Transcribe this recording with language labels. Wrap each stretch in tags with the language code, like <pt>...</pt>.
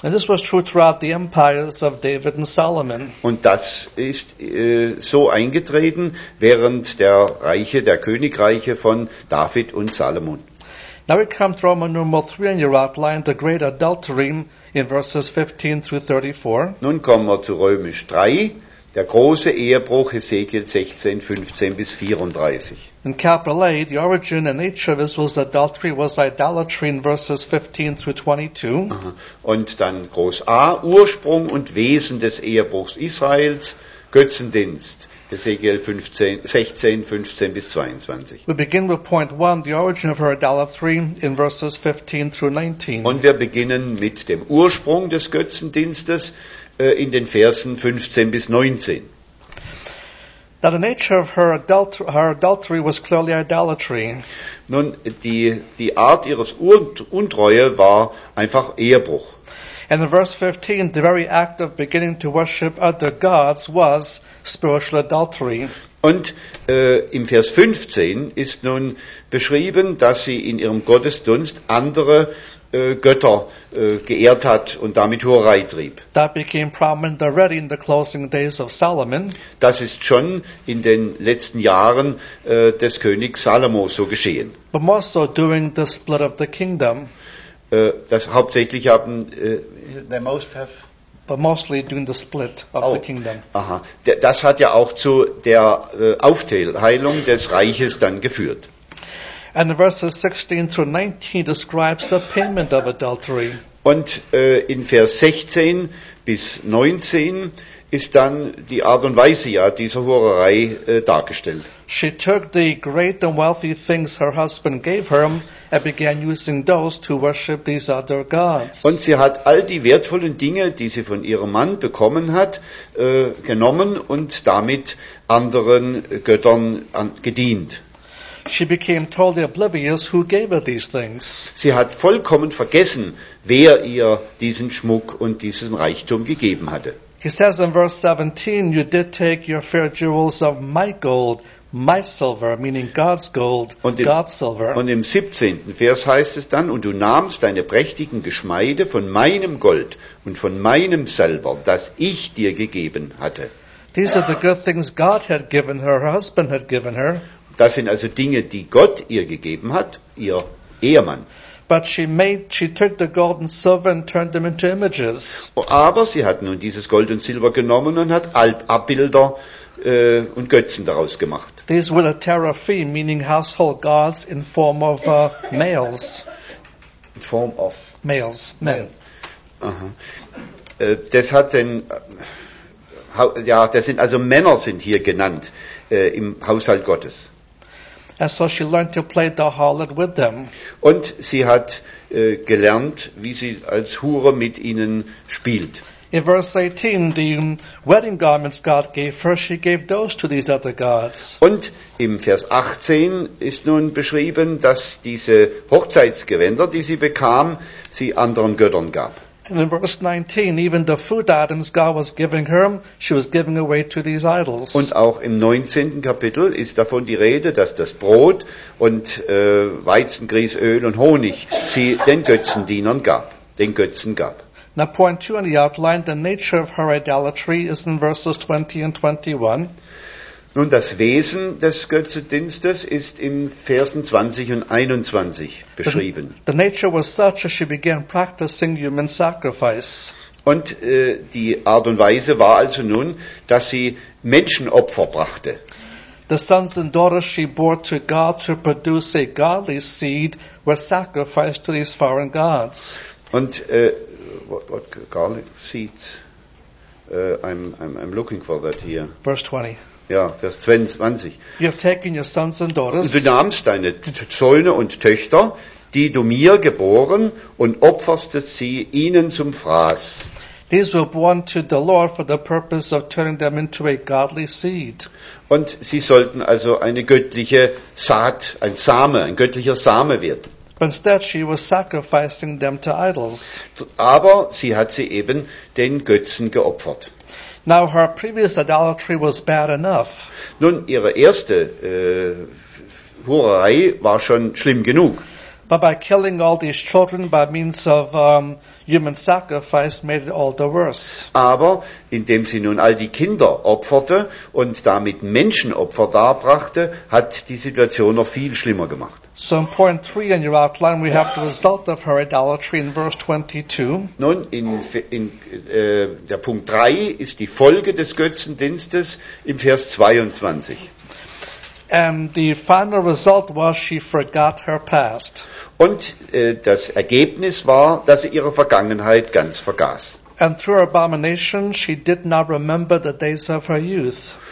<en>And this was true throughout the empires of David and Solomon.</en> <de>Und das ist so eingetreten während der Reiche, der Königreiche von David und Salomon.</de> <en>Now we come to Roman numeral 3 in your outline, the great adultery in verses 15 through 34.</en> <de>Nun kommen wir zu Römisch 3. Der große Ehebruch, Hesekiel 16, 15 bis 34.</de> <en>In capital A, the origin and nature of Israel's adultery was idolatry in verses 15 through 22.</en> <de>Und dann groß A, Ursprung und Wesen des Ehebruchs Israels, Götzendienst, Hesekiel 16, 15 bis 22.</de> <en>We begin with point 1, the origin of her idolatry in verses 15 through 19.</en> <de>Und wir beginnen mit dem Ursprung des Götzendienstes, in den Versen 15 bis 19.</de> <en>Now the nature of her adultery was clearly idolatry.</en> <de>Nun, die Art ihres Untreue war einfach Ehebruch.</de> <en>And in verse 15, the very act of beginning to worship other gods was spiritual adultery.</en> <de>Und im Vers 15 ist nun beschrieben, dass sie in ihrem Gottesdunst andere Götter geehrt hat und damit Hurerei trieb.</de> <en>That became prominent already in the closing days of Solomon.</en> <de>Das ist schon in den letzten Jahren des Königs Salomo so geschehen.</de> <en>But more so during the split of the kingdom. But mostly during the split of the kingdom. Aha.</en> <de>Das hat ja auch zu der Aufteilung des Reiches dann geführt.</de> <en>And verses 16 through 19 describes the payment of adultery.</en> <de>Und in Vers 16 bis 19 ist dann die Art und Weise ja dieser Hurerei dargestellt.</de> <en>She took the great and wealthy things her husband gave her and began using those to worship these other gods.</en> <de>Und sie hat all die wertvollen Dinge, die sie von ihrem Mann bekommen hat, genommen und damit anderen Göttern gedient.</de> <en>She became totally oblivious who gave her these things.</en> <de>Sie hat vollkommen vergessen, wer ihr diesen Schmuck und diesen Reichtum gegeben hatte.</de> <en>He says in verse 17, you did take your fair jewels of my gold, my silver, meaning God's gold, God's silver.</en> <de>Und im 17. Vers heißt es dann, und du nahmst deine prächtigen Geschmeide von meinem Gold und von meinem Silber, das ich dir gegeben hatte.</de> <en>These are the good things God had given her, her husband had given her.</en> <de>Das sind also Dinge, die Gott ihr gegeben hat, ihr Ehemann.</de> <en>But she took the gold and silver and turned them into images.</en> <de>Aber sie hat nun dieses Gold und Silber genommen und hat Abbilder und Götzen daraus gemacht.</de> <en>These were the teraphim, meaning household gods in form of males. In form of? Males, men.</en> <de>Das hat den, ja, das sind also Männer sind hier genannt im Haushalt Gottes.</de> <en>And so she learned to play the harlot with them.</en> <de>Und sie hat gelernt, wie sie als Hure mit ihnen spielt.</de> <en>In verse 18, the wedding garments God gave her, she gave those to these other gods.</en> <de>Und im Vers 18 ist nun beschrieben, dass diese Hochzeitsgewänder, die sie bekam, sie anderen Göttern gab.</de> <en>And in verse 19, even the food items God was giving her, she was giving away to these idols.</en> <de>Und auch im 19. Kapitel ist davon die Rede, dass das Brot und Weizengrieß, Öl und Honig sie den Götzendienern gab, den Götzen gab.</de> <en>Now point 2 on the outline, the nature of her idolatry is in verses 20 and 21.</en> <de>Nun, das Wesen des Götzendienstes ist in Versen 20 und 21 beschrieben.</de> <en>The nature was such as she began practicing human sacrifice.</en> <de>Und die Art und Weise war also nun, dass sie Menschenopfer brachte.</de> <en>The sons and daughters she bore to God to produce a godly seed were sacrificed to these foreign gods.</en> <de>Und</de> <en>what godly seeds? I'm looking for that here. Verse 20.</en> <de>Ja, Vers 22.</de> <en>You have taken your sons and daughters.</en> <de>Du nahmst deine Söhne und Töchter, die du mir geboren, und opferstest sie ihnen zum Fraß.</de> <en>These were born to the Lord for the purpose of turning them into a godly seed.</en> <de>Und sie sollten also eine göttliche Saat, ein Same, ein göttlicher Same werden.</de> <en>But instead she was sacrificing them to idols.</en> <de>Aber sie hat sie eben den Götzen geopfert.</de> <en>Now her previous idolatry was bad enough.</en> <de>Nun, ihre erste Hurerei war schon schlimm genug.</de> <en>But by killing all these children by means of human sacrifice made it all the worse.</en> <de>Aber indem sie nun all die Kinder opferte und damit Menschenopfer darbrachte, hat die Situation noch viel schlimmer gemacht.</de> <en>So in point 3 in your outline we have the result of her idolatry in verse 22.</en> <de>Nun, der Punkt 3 ist die Folge des Götzendienstes im Vers 22.</de> <en>And the final result was she forgot her past.</en> <de>Und das Ergebnis war, dass sie ihre Vergangenheit ganz vergaß.</de> <en>And through her abomination she did not remember the days of her youth.</en>